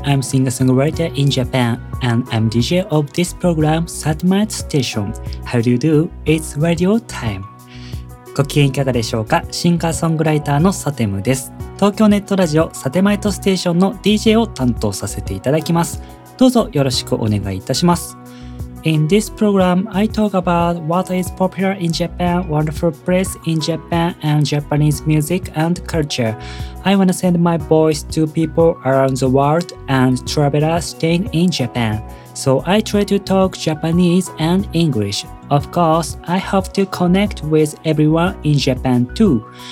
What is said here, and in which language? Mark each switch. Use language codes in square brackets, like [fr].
[en] I'm singer-songwriter in Japan, and I'm DJ of this program, Satemite Station. How do you do? It's radio time. [ja] ご機嫌いかがでしょうか？シンガーソングライターのサテムです。東京ネットラジオ、サテマイトステーションの DJ を担当させていただきます。どうぞよろしくお願いいたします。 [en] In this program, I talk about what is popular in Japan, wonderful place in Japan, and Japanese music and culture. I want to send my voice to people around the world and travelers staying in Japan. So I try to talk Japanese and English. Of course, I hope to connect with everyone in Japan too.